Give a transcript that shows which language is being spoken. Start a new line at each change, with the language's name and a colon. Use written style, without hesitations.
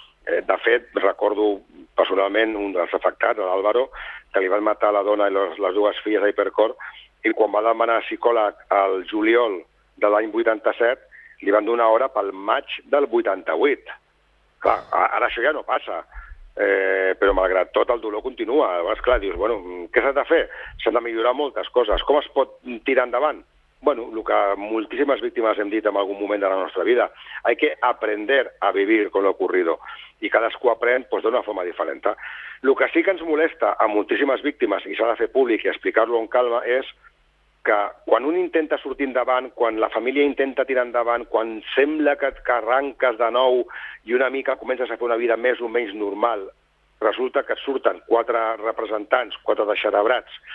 Catalan: De fet, recordo personalment un dels afectats, l'Àlvaro, que li van matar la dona i les dues filles a Hipercor, i quan va demanar psicòleg al juliol de l'any 87, li van donar hora pel maig del 88. Clar, ara això ja no passa, però malgrat tot el dolor continua. Llavors, clar, dius, bueno, què s'ha de fer? S'han de millorar moltes coses. Com es pot tirar endavant? Bueno, el que moltíssimes víctimes hem dit en algun moment de la nostra vida,
Spanish: hay que aprender a vivir con lo ocurrido.
Catalan: I cadascú aprèn pues, d'una forma diferent. El que sí que ens molesta a moltíssimes víctimes, i s'ha de fer públic i explicar-lo amb calma, és que quan un intenta sortir endavant, quan la família intenta tirar endavant, quan sembla que et arranques de nou i una mica comences a fer una vida més o menys normal, resulta que surten quatre representants, quatre deixarebrats,